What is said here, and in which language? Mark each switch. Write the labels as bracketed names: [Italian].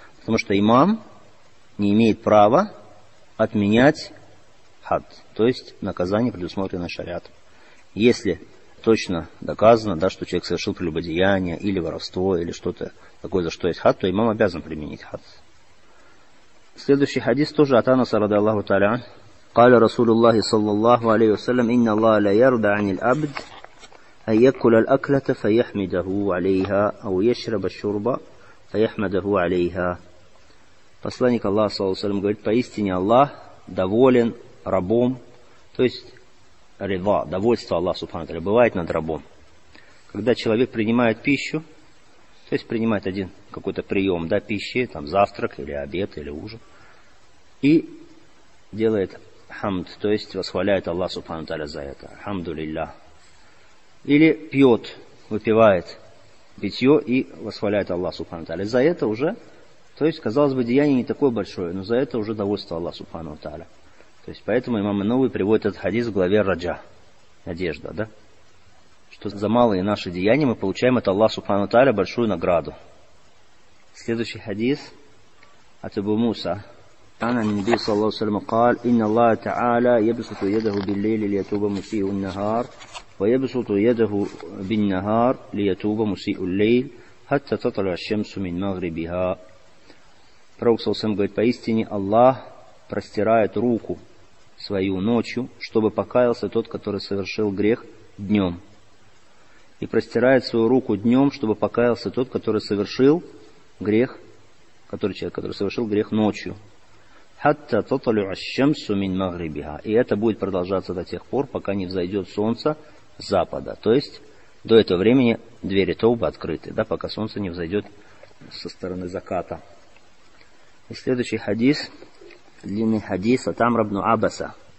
[Russian] Потому что имам не имеет права отменять хад, то есть наказание, предусмотренное шариатом. Если точно доказано, да, что человек совершил прелюбодеяние или воровство, или что-то такое, за что есть хад, то имам обязан применить хад. Следующий хадис тоже от Анаса ради Аллаху тааля. [Arabic] قال رسول الله صلى الله عليه وسلم إن الله لا يرضى عن العبد أن يأكل الأكلة فيحمده عليها أو يشرب الشرب فيحمده عليها. [Russian] Посланник Аллаха [Arabic] صلى الله عليه وسلم [Russian] говорит: поистине Аллах доволен рабом, то есть рида, довольство Аллаха субхану тааля бывает над рабом, когда человек принимает пищу, то есть принимает один какой-то прием, да, пищи, там завтрак или обед или ужин, и делает хамд, то есть восхваляет Аллах субхану тааля за это. Хамду лилля. Или пьет, выпивает битье и восхваляет Аллах Субхану Тааля. За это уже, то есть, казалось бы, деяние не такое большое, но за это уже довольство Аллах Субхану Тааля. То есть, поэтому имам Ан-Науи приводит этот хадис в главе Раджа, надежда, да? Что за малые наши деяния мы получаем от Аллаха Субхану Тааля большую награду. Следующий хадис от Абу Муса. [Arabic] عن النبي صلى الله عليه وسلم قال إن الله تعالى يبسط يده بالليل ليتوب مسيء النهار ويبسط يده بالنهار ليتوب مسيء الليل حتى تطلع الشمس من مغربها. [Russian] Пророк [Arabic] صلى الله عليه وسلم [Russian] говорит, поистине Аллах простирает руку свою ночью, чтобы покаялся тот, который совершил грех днем. И простирает свою руку днем, чтобы покаялся тот, который совершил грех, который совершил грех ночью. [Arabic] حتى تطلع الشمس من مغربها. [Russian] И это будет продолжаться до тех пор, пока не взойдет солнце с запада. То есть до этого времени двери Тоубы открыты, да, пока солнце не взойдет со стороны заката. И следующий хадис, длинный хадис от Амра ибн Абаса.